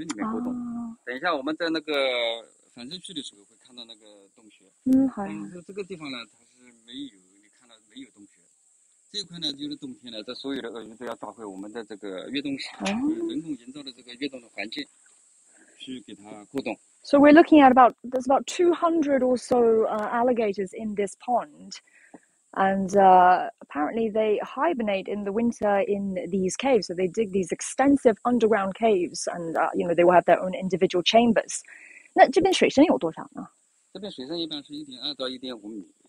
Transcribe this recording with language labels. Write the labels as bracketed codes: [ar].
[zh] 对，扬子鳄在野外它是要营造洞穴的，它冬天是在洞穴里面过冬。等一下我们在那个。反正去的时候会看到那个洞穴，好像是这个地方呢，它是没有，你看到没有洞穴，这一块呢就是冬天了，这所有的鳄鱼都要找回我们的这个跃动室，人工营造的这个跃动的环境，去给它过冬。 [en] So we're looking at about there's about 200 or so alligators in this pond, and apparently they hibernate in the winter in these caves. So they dig these extensive underground caves, and you know they will have their own individual chambers. [zh] 那这边水深有多少呢？这边水深一般是1.2到1.5米。